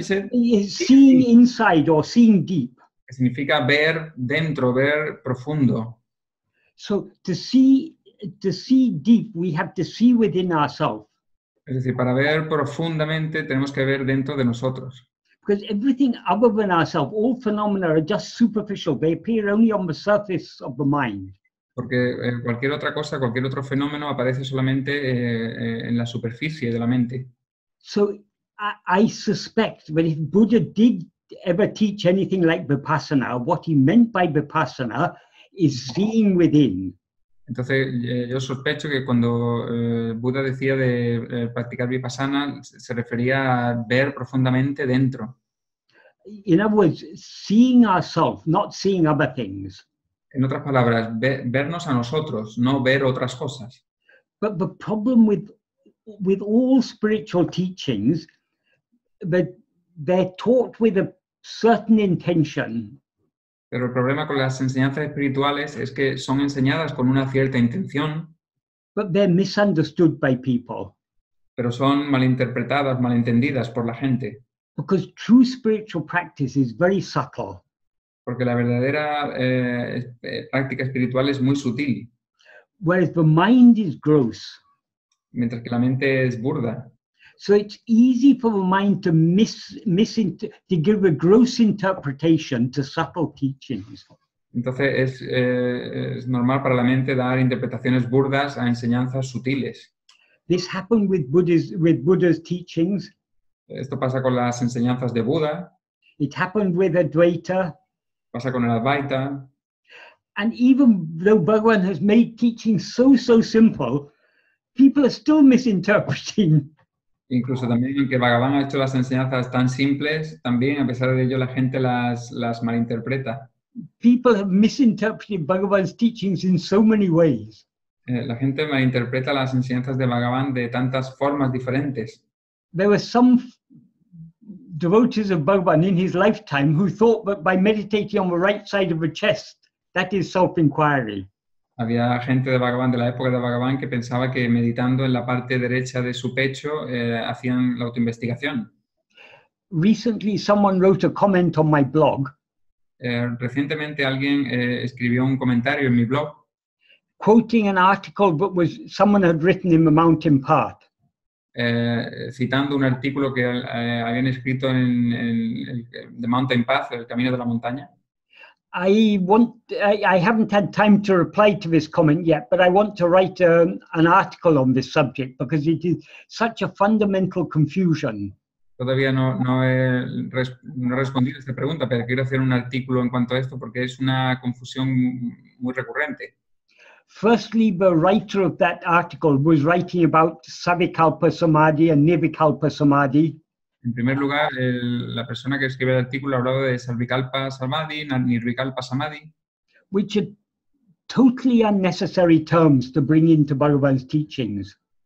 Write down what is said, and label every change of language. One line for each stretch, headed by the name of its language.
English: seeing inside or seeing deep.
Spanish: Significa ver dentro, ver profundo.
English: So to see deep, we have to see within ourselves.
Spanish: Es decir, para ver profundamente tenemos que ver dentro de nosotros.
English: Because everything other than ourselves, all phenomena are just superficial. They appear only on the surface of the mind.
Spanish: Porque cualquier otra cosa, cualquier otro fenómeno aparece solamente en la superficie de la mente.
English: So I suspect that if Buddha did ever teach anything like vipassana, what he meant by vipassana is seeing within.
Spanish: Entonces yo sospecho que cuando Buda decía de practicar vipassana se refería a ver profundamente dentro.
English: In other words, seeing ourselves, not seeing other things.
Spanish: En otras palabras, vernos a nosotros, no ver otras cosas.
English: But the problem with all spiritual teachings, that they're taught with a certain intention.
Spanish: Pero el problema con las enseñanzas espirituales es que son enseñadas con una cierta intención.
English: But they're misunderstood by people.
Spanish: Pero son malinterpretadas, malentendidas por la gente.
English: Because true spiritual practice is very subtle.
Spanish: Porque la verdadera práctica espiritual es muy sutil.
English: Whereas the mind is gross.
Spanish: Mientras que la mente es burda.
English: So it's easy for the mind to to give a gross interpretation to subtle teachings.
Spanish: Entonces es normal para la mente dar interpretaciones burdas a enseñanzas sutiles.
English: This happened with Buddha's teachings.
Spanish: Esto pasa con las enseñanzas de Buda.
English: It happened with Advaita.
Spanish: Pasa con el Advaita.
English: And even though Bhagavan has made teaching so, so simple, people are still misinterpreting.
Spanish: Incluso también que Bhagavan ha hecho las enseñanzas tan simples, también a pesar de ello la gente las malinterpreta.
English: People have misinterpreted Bhagavan's teachings in so many ways.
Spanish: La gente malinterpreta las enseñanzas de Bhagavan de tantas formas diferentes.
English: There were some devotees of Bhagavan in his lifetime who thought that by meditating on the right side of the chest, that is self-enquiry.
Spanish: Había gente de Bhagavan, de la época de Bhagavan, que pensaba que meditando en la parte derecha de su pecho hacían la autoinvestigación.
English: Recently someone wrote a comment on my blog.
Spanish: Recientemente alguien escribió un comentario en mi blog.
English: Quoting an article that was someone had written in the mountain path.
Spanish: Citando un artículo que habían escrito en The Mountain Path, el camino de la montaña.
English: I haven't had time to reply to this comment yet, but I want to write an article on this subject because it is such a fundamental confusion.
Spanish: Todavía no he respondido a esta pregunta, pero quiero hacer un artículo en cuanto a esto porque es una confusión muy recurrente.
English: Firstly, the writer of that article was writing about Savikalpa Samadhi and Nirvikalpa Samadhi.
Spanish: En primer lugar, la persona que escribió el artículo hablaba de Savikalpa Samadhi, Nirvikalpa Samadhi.
English: Which are totally unnecessary terms to bring into Bhagavan's teachings.